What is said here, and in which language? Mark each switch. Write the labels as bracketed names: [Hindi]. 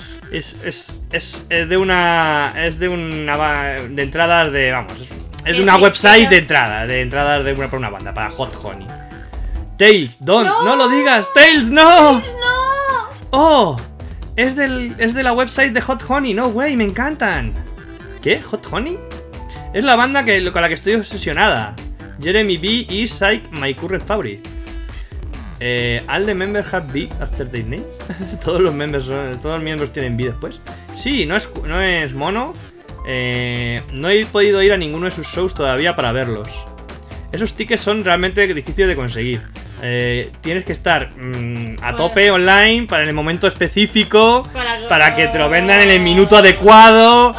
[Spanish] Es de una website de entradas para Hot Honey. [English] Tails, don't. ¡No! [Spanish] ¡No lo digas! ¡Tails, no! ¡Tails, no! ¡Oh! Es de la website de Hot Honey. ¡No, güey! ¡Me encantan! ¿Qué? ¿Hot Honey? Es la banda con la que estoy obsesionada. [English] Jeremy B. is like my current favorite. All the members have B after their names. [Spanish] Todos los miembros tienen B después. Sí, no es mono. No he podido ir a ninguno de sus shows todavía para verlos. Esos tickets son realmente difíciles de conseguir. Tienes que estar a tope online para en el momento específico. Para que te lo vendan en el minuto adecuado.